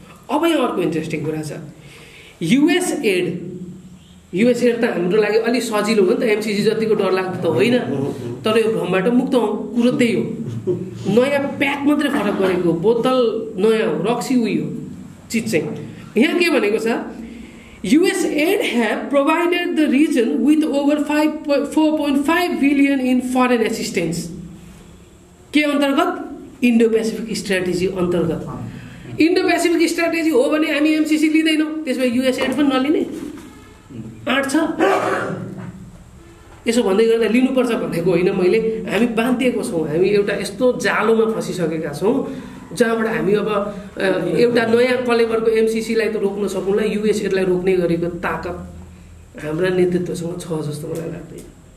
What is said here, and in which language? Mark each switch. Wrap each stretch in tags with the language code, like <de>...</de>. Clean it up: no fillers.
<ne>अब यहाँ अर्को इन्ट्रेस्टिङ कुरा छ, युएस एड. युएस एड त हाम्रो लागि अलिक सजिलो हो नि त, एमसिसी जतिको डर लाग्दो त होइन, तर यो भ्रमबाट मुक्त हौँ. कुरो त्यही हो, नयाँ प्याक मात्रै फरक गरेको, बोतल नयाँ हो, रक्सी उयो चिज चाहिँ. यहाँ के भनेको छ,</ne> <en>US aid have provided the region with over 4.5 billion in foreign assistance.</en> <ne>के अन्तर्गत? इन्डो पेसिफिक स्ट्राटेजी अन्तर्गत. इन्डो पेसिफिक स्ट्राटेजी हो भने हामी एमसिसी लिँदैनौँ, त्यसमा युएस एड पनि नलिने आँट छ. यसो भन्दै गर्दा लिनुपर्छ भनेको होइन मैले, हामी बाँधिएको छौँ. हामी एउटा यस्तो जालोमा फँसिसकेका छौँ जहाँबाट हामी अब एउटा नयाँ कलेबरको एमसिसीलाई त रोक्न सकौँला, युएसएडलाई रोक्ने गरेको ताकत हाम्रा नेतृत्वसँग छ जस्तो मलाई लाग्दैन.</ne>